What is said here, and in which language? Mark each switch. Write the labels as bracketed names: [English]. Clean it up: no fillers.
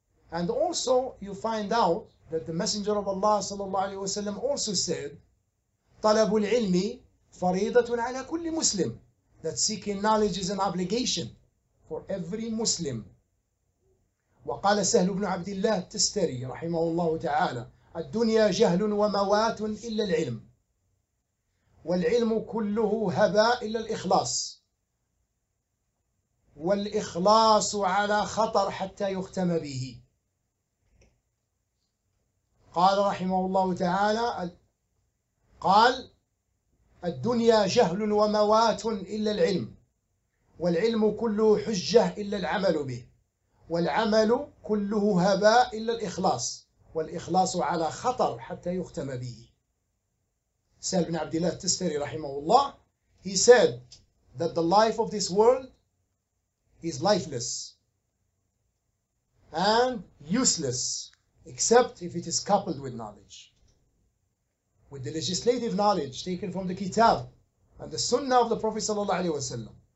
[English] And also you find out that the Messenger of Allah sallallahu alayhi wasallam also said, [Arabic] طلب العلم فريضة على كل مسلم, [English] that seeking knowledge is an obligation for every Muslim. [Arabic] وقال سهل بن عبد الله التستري رحمه الله تعالى الدنيا جهل وموات إلا العلم والعلم كله هباء إلا الإخلاص والإخلاص على خطر حتى يختم به. قال رحمه الله تعالى قال الدنيا جهل وموات إلا العلم والعلم كله حجة إلا العمل به والعمل كله هباء إلا الإخلاص والإخلاص على خطر حتى يختم به. [English] سهل بن عبد الله التستري رحمه الله, he said that the life of this world is lifeless and useless except if it is coupled with knowledge, with the legislative knowledge taken from the Kitab and the Sunnah of the Prophet sallallahu alaihi wasallam.